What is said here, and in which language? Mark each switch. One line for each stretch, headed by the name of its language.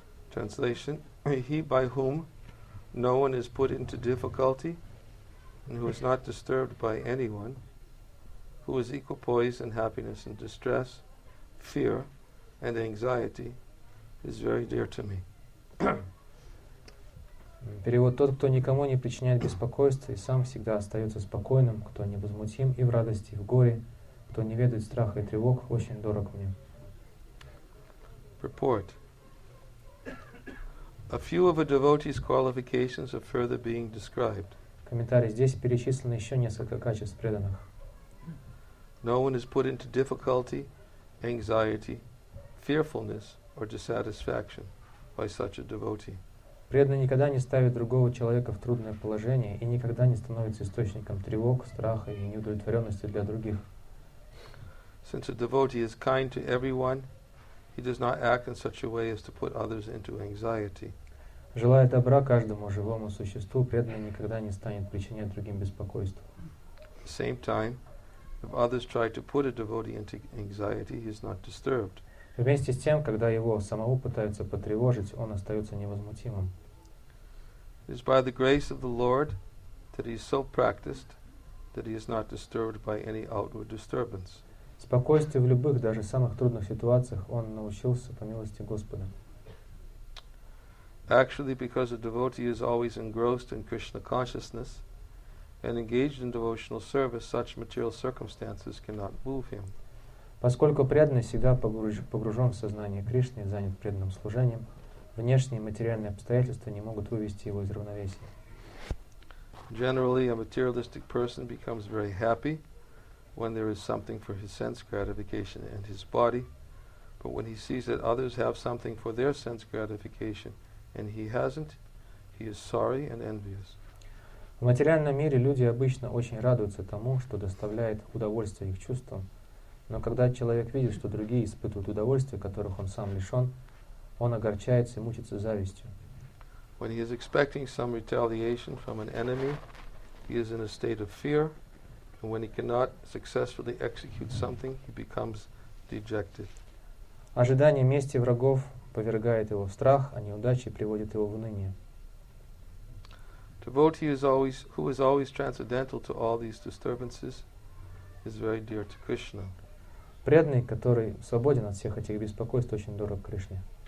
English: Translation, he by whom no one is put into difficulty and who is not disturbed by anyone, who is equipoise in happiness and distress, fear and anxiety, is very dear to me.
Russian: Перевод тот, кто никому не причиняет беспокойства и сам всегда остается спокойным, кто невозмутим и в радости, и в горе, кто не ведает страха и тревог, очень дорог мне.
English: Purport. A few of a devotee's qualifications are further being described.
Russian: Комментарий. Здесь перечислено еще несколько качеств преданных.
English: No one is put into difficulty, anxiety, fearfulness, or dissatisfaction by such a devotee.
Russian: Преданный никогда не ставит другого человека в трудное положение и никогда не становится источником тревог, страха и неудовлетворенности для других.
English: Since a devotee is kind to everyone, he does not act in such a way as to put others into anxiety.
Russian: Желая добра каждому живому существу, преданный никогда не станет причинять другим беспокойство.
English: At the same time, if others try to put a devotee into anxiety, he is not disturbed.
Russian: Вместе с тем, когда его самого пытаются потревожить, он остается невозмутимым.
English: It is by the grace of the Lord that he is so practiced that he is not disturbed by any outward disturbance.
Russian: Спокойствие в любых, даже самых трудных ситуациях он научился по милости Господа.
English: Actually, because a devotee is always engrossed in Krishna consciousness and engaged in devotional service, such material circumstances cannot move him.
Russian: Поскольку преданный всегда погружен в сознание Кришны и занят преданным служением, внешние материальные обстоятельства не могут вывести его из равновесия.
English: Generally, a materialistic person becomes very happy when there is something for his sense gratification and his body, but when he sees that others have something for their sense gratification and he hasn't, he is sorry and envious.
Russian: В материальном мире люди обычно очень радуются тому, что доставляет удовольствие их чувствам, но когда человек видит, что другие испытывают удовольствие, которых он сам лишен, он огорчается и мучится завистью.
English: When he is expecting some retaliation from an enemy, he is in a state of fear, and when he cannot successfully execute something, he becomes dejected.
Russian: Ожидание мести врагов повергает его в страх, а неудачи приводят его в уныние.
English: Devotee who is always transcendental to all these disturbances is very dear to Krishna.
Russian: Преданный, который свободен от всех этих беспокойств, очень дорог Кришне.